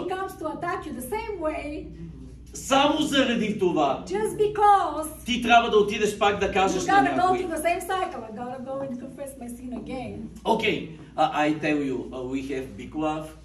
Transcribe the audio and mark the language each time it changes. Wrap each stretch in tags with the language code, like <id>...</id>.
<en>when he comes to attack you the same way,</en> <bg>само заради това,</bg> <en>just because,</en> <bg>ти трябва да отидеш пак да кажеш на някой.</bg> <en>You gotta go to the same cycle. I gotta go and confess my sin again. Okay, I tell you, we have big love.</en>